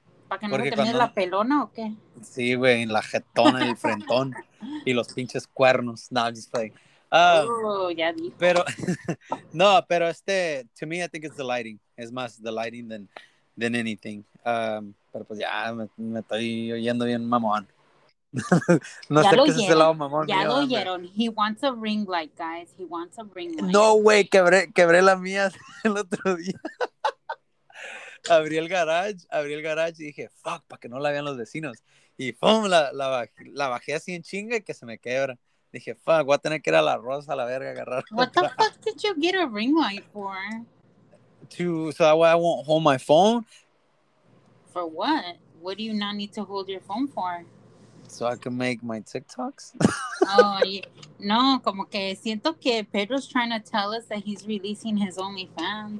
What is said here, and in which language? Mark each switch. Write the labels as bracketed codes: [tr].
[es] ¿Para que no te mire la pelona o qué? Sí, güey, en la jetona, el frentón y los pinches cuernos. [en] No, I'm just playing. [es] Ya dijo. Pero, no, pero [en] to me, I think it's the lighting. It's [es] más [en] the lighting than anything. [es] Pero pues ya, me estoy oyendo bien mamón. No ya sé lo qué oyeron. Es el lado mamón. Ya mío, lo oyeron. [en] He wants a ring light, guys. He wants a ring light. [es] No, güey, quebré la mía el otro día. Abrí el garage y dije, fuck, para que no la vean los vecinos. Y pum, la bajé así en chinga y que se me quebra. Dije, fuck, voy a tener que ir a la Rosa a la verga a agarrar. [en] What the fuck did you get a ring light for? So that way I won't hold my phone. For what? What do you not need to hold your phone for? So I can make my TikToks? Oh, no, [es] como que siento que [en] Pedro's trying to tell us that he's releasing his OnlyFans.